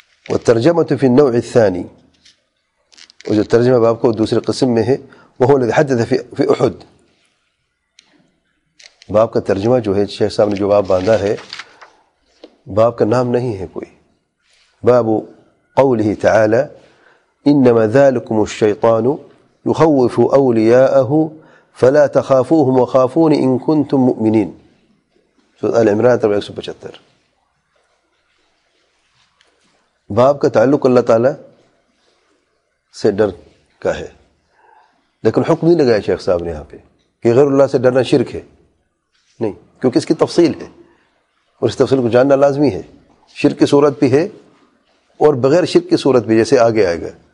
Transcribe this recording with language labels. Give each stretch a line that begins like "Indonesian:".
Urdu: وہ ترجمہ تو
Arabic: فی النوع الثانی,
Urdu: وہ جو ترجمہ باب کو دوسرے قسم میں ہے, وہ
Arabic: الذي حدث في احد,
Urdu: باب کا ترجمہ جو ہے شیخ صاحب نے جو باب باندھا ہے, باب کا نام نہیں ہے کوئی.
Arabic: باب قوله تعالى انما ذلكم الشيطان يخوف اولياءه فلا تخافوهم وخافوني ان كنتم مؤمنين,
Urdu: سورۃ آل عمران 175. باب کا تعلق اللہ تعالیٰ سے ڈر کا ہے, لیکن حکم نہیں لگایا شیخ صاحب نے یہاں پہ کہ غیر اللہ سے ڈرنا شرک ہے. نہیں, کیونکہ اس کی تفصیل ہے اور اس تفصیل کو جاننا لازمی ہے. شرک کی صورت بھی ہے اور بغیر شرک کی صورت بھی, جیسے آگے آئے گا.